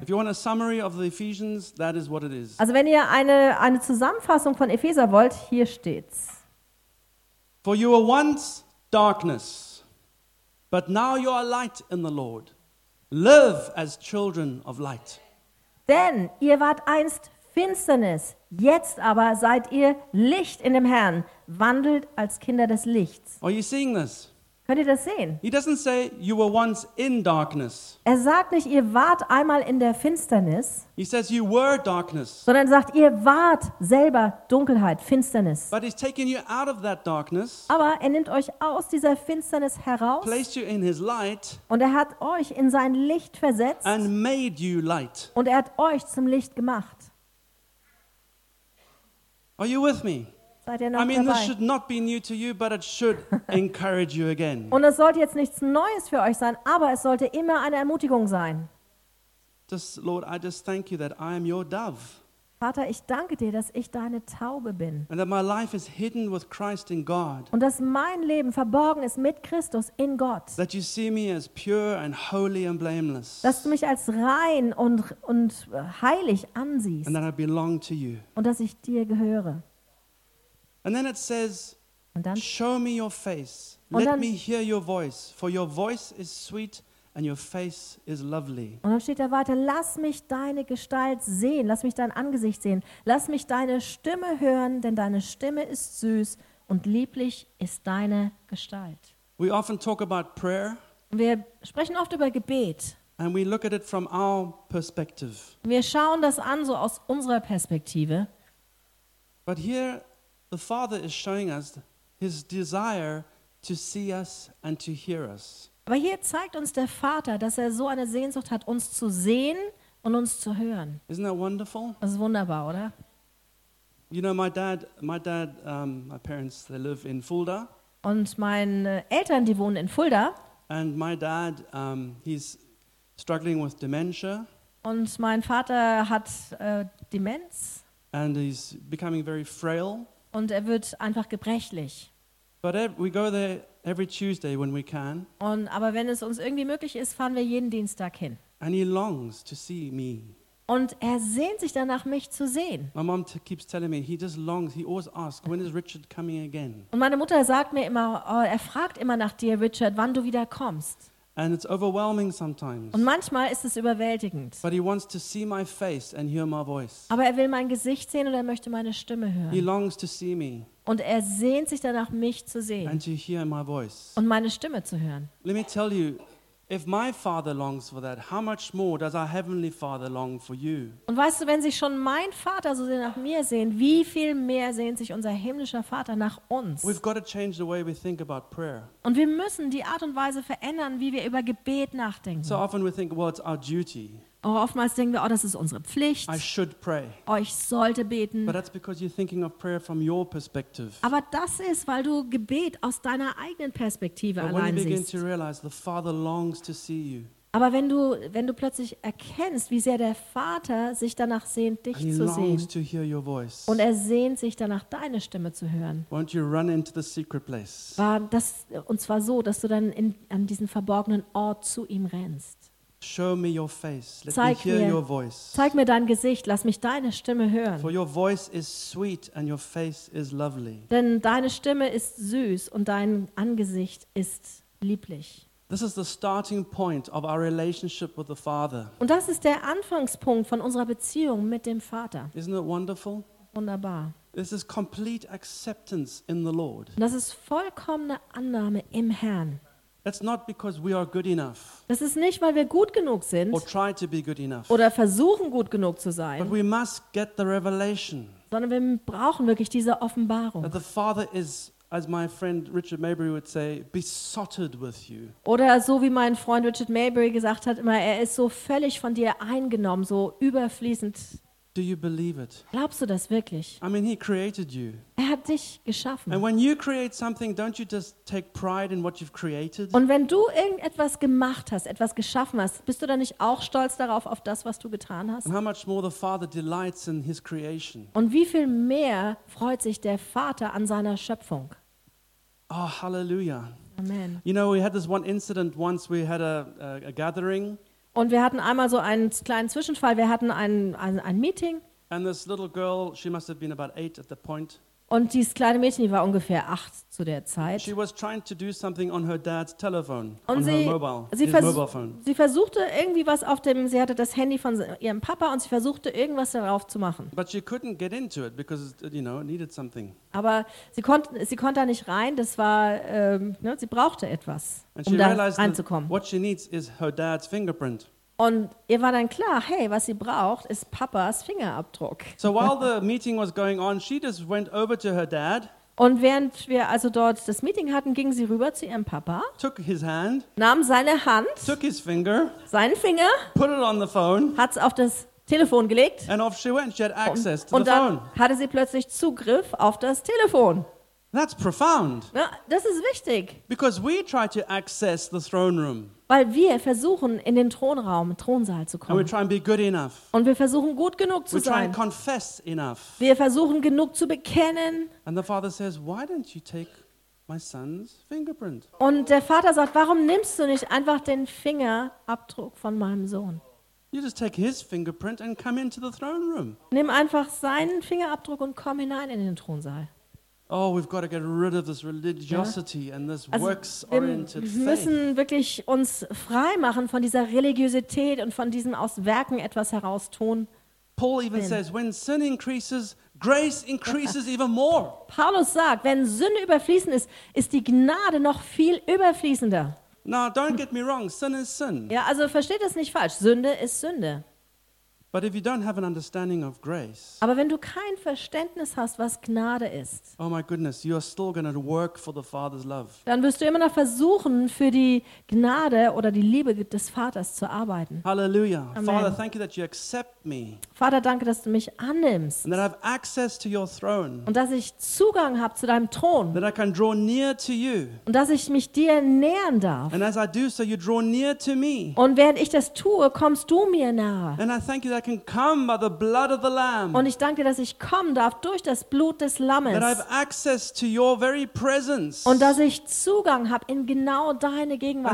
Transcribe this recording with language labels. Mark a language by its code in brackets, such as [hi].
[en] If you want a summary of the Ephesians, that is what it is. [de] Also wenn ihr eine Zusammenfassung von Epheser wollt, hier steht's. [en] For you were once darkness, but now you are light in the Lord. Live as children of light. [de] Denn ihr wart einst Finsternis, jetzt aber seid ihr Licht in dem Herrn, wandelt als Kinder des Lichts. [en] Are you seeing this? [de] Könnt ihr das sehen? [en] He doesn't say you were once in darkness. [de] Er sagt nicht, ihr wart einmal in der Finsternis. [en] He says you were darkness. [de] Sondern sagt, ihr wart selber Dunkelheit, Finsternis. [en] But he's taking you out of that darkness. [de] Aber er nimmt euch aus dieser Finsternis heraus. [en] Placed you in his light. [de] Und er hat euch in sein Licht versetzt. [en] And made you light. [de] Und er hat euch zum Licht gemacht. [en] Are you with me? [de] Seid ihr noch dabei? [en] This should not be new to you, but it should encourage you again. [de] Und es sollte jetzt nichts Neues für euch sein, aber es sollte immer eine Ermutigung sein. [en] Just, Lord, I just thank you that I am your dove. [de] Vater, ich danke dir, dass ich deine Taube bin. [en] And that my life is hidden with Christ in God. [de] Und dass mein Leben verborgen ist mit Christus in Gott. [en] That you see me as pure and holy and blameless. [de] Dass du mich als rein und heilig ansiehst. [en] And that I belong to you. [de] Und dass ich dir gehöre. [en] And then it says, [de] und dann, [en] show me your face. Let [de] dann, [en] me hear your voice, for your voice is sweet. And your face is lovely. [de] Und dann steht da weiter, lass mich deine Gestalt sehen, lass mich dein Angesicht sehen, lass mich deine Stimme hören, denn deine Stimme ist süß und lieblich ist deine Gestalt. [en] We often talk about prayer. [de] Wir sprechen oft über Gebet. [en] And we look at it from our perspective. [de] Wir schauen das an so aus unserer Perspektive. [en] But here the Father is showing us his desire to see us and to hear us. [de] Aber hier zeigt uns der Vater, dass er so eine Sehnsucht hat, uns zu sehen und uns zu hören. [en] Isn't that wonderful? [de] Das ist wunderbar, oder? [en] You know, my dad, my parents, they live in Fulda. [de] Und meine Eltern, die wohnen in Fulda. [en] And my dad, he's struggling with dementia. [de] Und mein Vater hat Demenz. [en] And he's becoming very frail. [de] Und er wird einfach gebrechlich. [en] But we go there every Tuesday when we can. [de] Und aber wenn es uns irgendwie möglich ist, fahren wir jeden Dienstag hin. [en] And he longs to see me. [de] Und er sehnt sich danach, mich zu sehen. [en] My mom keeps telling me he just longs. He always asks, when is Richard coming again? [de] Und meine Mutter sagt mir immer, oh, er fragt immer nach dir, Richard, wann du wieder kommst. [en] And it's overwhelming sometimes. [de] Und manchmal ist es überwältigend. [en] But he wants to see my face and hear my voice. [de] Aber er will mein Gesicht sehen und er möchte meine Stimme hören. [en] He longs to see me. [de] Und er sehnt sich danach, mich zu sehen. [en] And to hear my voice. [de] Und meine Stimme zu hören. [en] Let me tell you, If my father longs for that, how much more does our heavenly father long for you? [de] Und weißt du, wenn sich schon mein Vater so sehr nach mir sehnt, wie viel mehr sehnt sich unser himmlischer Vater nach uns? [en] We've got to change the way we think about prayer. [de] Und wir müssen die Art und Weise verändern, wie wir über Gebet nachdenken. [en] So often we think, well, it's our duty. [de] Oh, oftmals denken wir, oh, das ist unsere Pflicht. [en] I should pray. [de] Oh, ich sollte beten. [en] But that's because you're thinking of prayer from your perspective. [de] Aber das ist, weil du Gebet aus deiner eigenen Perspektive [en] But [de] allein [en] when you begin [de] siehst. [en] To realize the Father longs to see you. [de] Aber wenn du plötzlich erkennst, wie sehr der Vater sich danach sehnt, dich [en] And [de] zu [en] longs To hear your voice. [de] Und er sehnt sich danach, deine Stimme zu hören. [en] Won't you run into the secret place? [de] Und zwar so, dass du dann an diesen verborgenen Ort zu ihm rennst. [en] Show me your face. Let [de] zeig [en] me hear [de] mir, [en] your voice. [de] Zeig mir dein Gesicht. Lass mich deine Stimme hören. [en] For your voice is sweet and your face is lovely. [de] Denn deine Stimme ist süß und dein Angesicht ist lieblich. [en] This is the starting point of our relationship with the Father. [de] Und das ist der Anfangspunkt von unserer Beziehung mit dem Vater. [en] Isn't it wonderful? [de] Wunderbar. [en] This is complete acceptance in the Lord. [de] Das ist vollkommene Annahme im Herrn. [en] It's not because we are good enough. [de] Das ist nicht, weil wir gut genug sind. [en] Or try to be good enough. [de] Oder versuchen gut genug zu sein. [en] But we must get the revelation. [de] Sondern wir brauchen wirklich diese Offenbarung. [en] That the Father is, as my friend Richard Mayberry would say, besotted with you. [de] Oder so wie mein Freund Richard Mayberry gesagt hat, immer, er ist so völlig von dir eingenommen, so überfließend. [en] Do you believe it? [de] Glaubst du das wirklich? [en] I mean, he created you. [de] Er hat dich geschaffen. [en] And when you create something, don't you just take pride in what you've created? [de] Und wenn du irgendetwas gemacht hast, etwas geschaffen hast, bist du dann nicht auch stolz darauf, auf das, was du getan hast? [en] And how much more the Father delights in his creation? [de] Und wie viel mehr freut sich der Vater an seiner Schöpfung? [en] Oh, hallelujah. [de] Amen. [en] You know, we had this one incident once, we had a gathering. [de] Und wir hatten einmal so einen kleinen Zwischenfall. Wir hatten ein Meeting. [en] And this little girl, she must have been about 8 at the point. [de] Und dieses kleine Mädchen, die war ungefähr 8 zu der Zeit. [en] She was trying to do something on her dad's telephone. [de] Und [en] on her mobile, mobile phone. [de] Sie versuchte irgendwie was auf dem. Sie hatte das Handy von ihrem Papa und sie versuchte irgendwas darauf zu machen. [en] But she couldn't get into it because you know it needed something. [de] Aber sie konnte da nicht rein. Das war sie brauchte etwas, [en] and [de] um da reinzukommen. [en] What she needs is her dad's fingerprint. [de] Und ihr war dann klar, hey, was sie braucht, ist Papas Fingerabdruck. [en] So while the meeting was going on, she just went over to her dad. [de] Und während wir also dort das Meeting hatten, ging sie rüber zu ihrem Papa. [en] Took his hand. [de] Nahm seine Hand. [en] Took his finger. [de] Seinen Finger. [en] Put it on the phone. [de] Hat's auf das Telefon gelegt. [en] And off she went. She had access to the phone. [de] Und dann hatte sie plötzlich Zugriff auf das Telefon. [en] That's profound. [de] Ja, das ist wichtig. [en] Because we try to access the throne room. [de] Weil wir versuchen, in den Thronraum, Thronsaal zu kommen. [en] And we try and be good enough. [de] Und wir versuchen, gut genug zu [en] we [de] sein. [en] Try and confess enough. [de] Wir versuchen, genug zu bekennen. [en] And the father says, why don't you take my son's fingerprint? [de] Und der Vater sagt, warum nimmst du nicht einfach den Fingerabdruck von meinem Sohn? [en] You just take his fingerprint and come into the throne room. [de] Nimm einfach seinen Fingerabdruck und komm hinein in den Thronsaal. [en] Oh, we've got to get rid of this religiosity and this works-oriented faith. [de] Wir müssen wirklich uns frei machen von dieser Religiosität und von diesem aus Werken etwas heraus tun. [en] Paul even says, when sin increases, grace increases even more. [de] Paulus sagt, wenn Sünde überfließend ist, ist die Gnade noch viel überfließender. [en] Now, don't get me wrong, sin is sin. [de] Ja, also versteht das nicht falsch, Sünde ist Sünde. [en] But if you don't have an understanding of grace, [de] aber wenn du kein Verständnis hast, was Gnade ist, [en] oh my goodness, you are still going to work for the Father's love. [de] Dann wirst du immer noch versuchen, für die Gnade oder die Liebe des Vaters zu arbeiten. [en] Hallelujah. [de] Amen. [en] Father, thank you that you accept me. [de] Vater, danke, dass du mich annimmst. [en] And that I have access to your throne. [de] Und dass ich Zugang habe zu deinem Thron. [en] That I can draw near to you. [de] Und dass ich mich dir nähern darf. [en] And as I do so, you draw near to me. [de] Und während ich das tue, kommst du mir nahe. [en] And I thank you that I can come by the blood of the Lamb. [de] Und ich danke dir, dass ich kommen darf durch das Blut des Lammes. [en] That I have access to your very presence. [de] Und dass ich Zugang habe in genau deine Gegenwart